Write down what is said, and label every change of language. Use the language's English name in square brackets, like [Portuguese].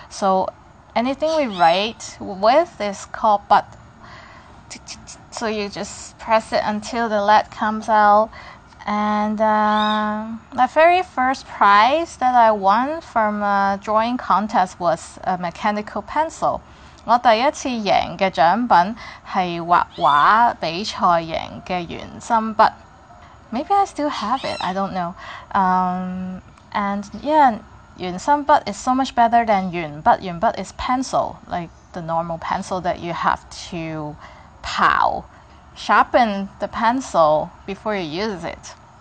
[English] So anything we write with is called 筆. So you just press it until the lead comes out. And my very first prize that I won from a drawing contest was a mechanical pencil. [Cantonese] 我第一次贏的獎品是畫畫比賽贏的圓心筆。 [English] Maybe I still have it, I don't know. And yeah, 圓心筆 is so much better than 圓筆. 圓筆 is pencil, like the normal pencil that you have to 刨. Sharpen the pencil before you use it.